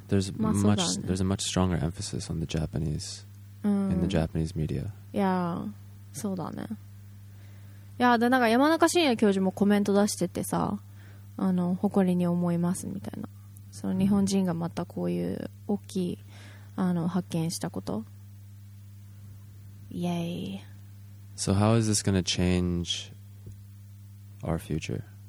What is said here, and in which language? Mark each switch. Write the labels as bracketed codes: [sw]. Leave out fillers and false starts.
[en] There's a much stronger emphasis on the Japanese in the Japanese media. Yeah. [ja] そうだね。いやでなんか山中伸弥教授もコメント出しててさ、誇りに思いますみたいな。その日本人がまたこういう大きい発見したこと。イエーイ。 [en] So how is this going to change our future?